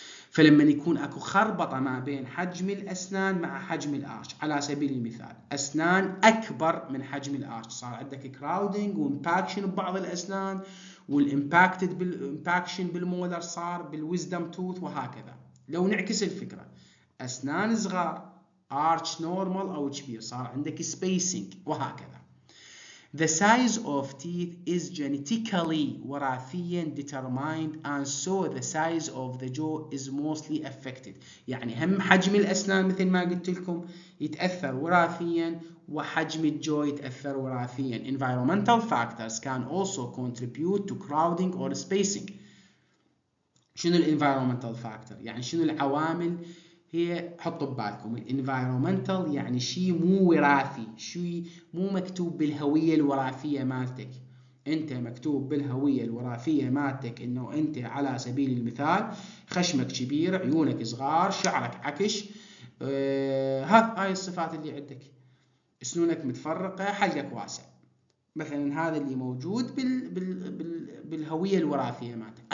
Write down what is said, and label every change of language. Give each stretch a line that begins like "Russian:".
Arabic: فلما يكون اكو خربطه ما بين حجم الاسنان مع حجم الارش، على سبيل المثال اسنان اكبر من حجم الارش، صار عندك كراودنج وامباكشن ببعض الاسنان، والامباكتد بالامباكشن بالمولر صار بالويزدم توث وهكذا. لو نعكس الفكره، اسنان صغار arch normal او كبير صار عندك spacing وهكذا.
English: The size of teeth is genetically
Arabic: وراثيا
English: determined and so the size of the jaw is mostly affected.
Arabic: يعني هم حجم الاسنان مثل ما قلت لكم يتاثر وراثيا وحجم الجو يتاثر وراثيا.
English: Environmental factors can also contribute to crowding or spacing.
Arabic: شنو الانفايرومنتال فاكتور؟ يعني شنو العوامل؟ هي حطوا ببالكم الانفايرومنتال يعني شيء مو وراثي، شيء مو مكتوب بالهوية الوراثية مالتك. انت مكتوب بالهوية الوراثية مالتك انه انت على سبيل المثال خشمك كبير، عيونك صغار، شعرك عكش، هاي الصفات اللي عندك، سنونك متفرقة، حلقك واسع مثلا، هذا اللي موجود بالهوية الوراثية مالتك.